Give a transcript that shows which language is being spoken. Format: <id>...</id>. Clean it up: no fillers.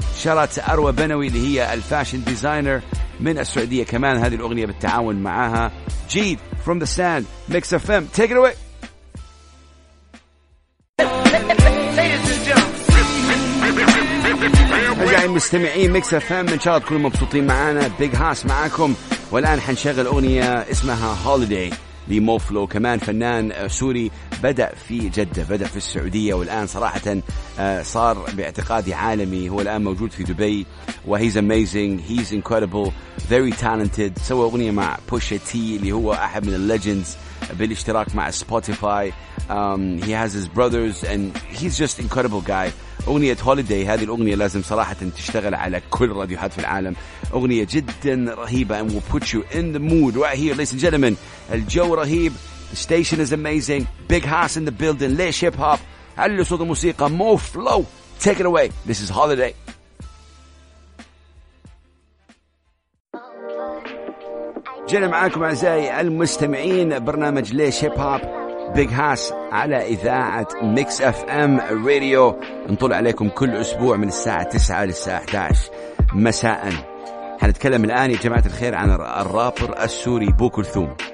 <en>Shout out to</en> <ar>أروى بنوي اللي هي الفاشن ديزاينر من السعودية كمان, هذه الأغنية بالتعاون معها.</ar> <en>جيد, From the Sand, Mix FM, take it away.</en> <ar>مستمعين ميكس اف ام, ان شاء الله تكونوا مبسوطين معانا, بيج هاس معاكم, والان حنشغل اغنيه اسمها هوليداي لمو فلو, كمان فنان سوري بدا في السعوديه, والان صراحه صار باعتقادي عالمي, هو الان موجود في دبي,</ar> <en>وهيز amazing, he's incredible, very talented.</en> <ar>سوى اغنيه مع بوشا تي اللي هو احد من الليجندز بالاشتراك مع سبوتيفاي.</ar> <en>He has his brothers and his just incredible guy.</en> <ar>أغنية هوليداي, هذه الأغنية لازم صراحة تشتغل على كل راديوهات في العالم, أغنية جدا رهيبة</ar> <en>and will put you in the mood right here. Ladies and gentlemen,</en> <ar>الجو رهيب,</ar> <en>the station is amazing, Big Hoss in the building, Laish Hip Hop,</en> <ar>علو صوت الموسيقى,</ar> <en>move flow, take it away, this is Holiday.</en> <ar>جينا معاكم أعزائي المستمعين برنامج Laish Hip Hop, بيج هاس على إذاعة ميكس أف أم راديو, نطلع عليكم كل أسبوع من الساعة 9 للساعة 11 مساء. هنتكلم الآن يا جماعة الخير عن الرابر السوري بوكلثوم.</ar>